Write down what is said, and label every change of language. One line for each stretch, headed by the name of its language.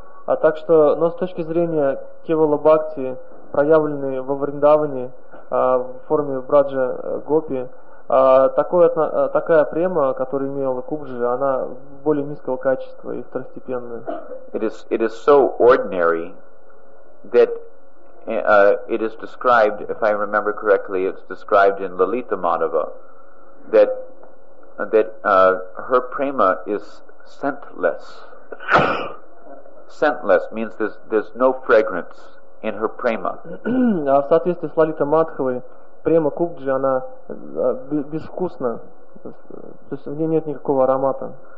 Russian: Так что, но с точки зрения Kevala Bhakti, проявленной во Вриндаване в форме Браджа Гопи, такая према, которую имела Кубджи, она более низкого качества и второстепенная.
English: It is so ordinary that it is described, if I remember correctly, it's described in Lalita Madhava, that her prema is scentless. Scentless means there's no fragrance in her prema.
Russian: А в соответствии с Лалита Мадхавой, према Кубджи, она безвкусна, то есть в ней нет никакого аромата.